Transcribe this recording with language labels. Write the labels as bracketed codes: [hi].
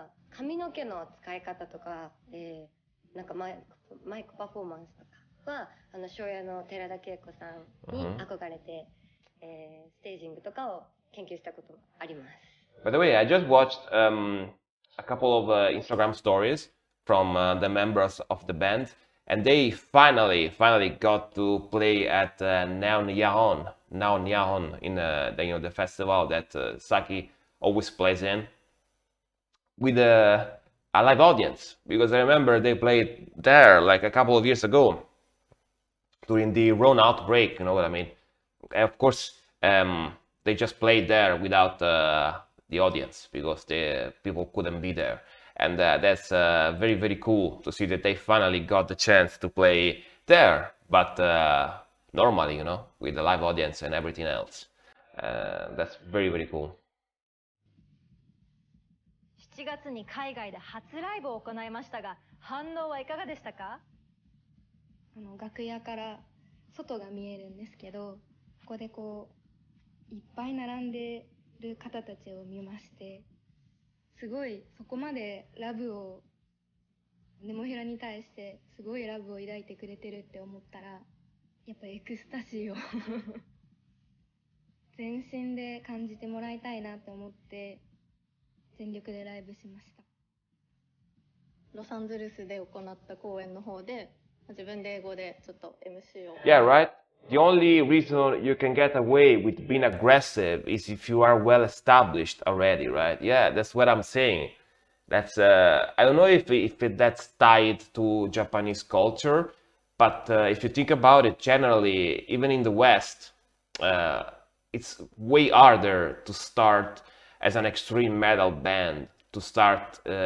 [ja] 髪の毛の使い方とか、なんかマイクパフォーマンスとかは、あの庄屋の寺田恵子さんに憧れて、ステージングとかを研究したこともあります。 [en] By the way, I just watched a couple of Instagram stories from the members of the band, and they finally got to play at Neon Yahon in the, you know, the festival that Saki always plays in. With a live audience, because I remember they played there like a couple of years ago during the Rona outbreak, you know what I mean? And of course, they just played there without the audience because the people couldn't be there. And that's very, very cool to see that they finally got the chance to play there, but normally, you know, with the live audience and everything else. That's very, very cool. [ja] 7月に海外で初ライブを行いましたが、反応はいかがでしたか？あの楽屋から外が見えるんですけど、ここでこういっぱい並んでる方たちを見まして、すごいそこまでラブを、ネモフィラに対してすごいラブを抱いてくれてるって思ったら、やっぱエクスタシーを全身で感じてもらいたいなって思って、全力でライブしました。ロサンゼルスで行った公演の方で自分で英語でちょっと MC を [en] Yeah, right? The only reason you can get away with being aggressive is if you are well established already, right? Yeah, that's what I'm saying. That's, I don't know if that's tied to Japanese culture, but if you think about it, generally, even in the West, it's way harder to startas an extreme metal band to start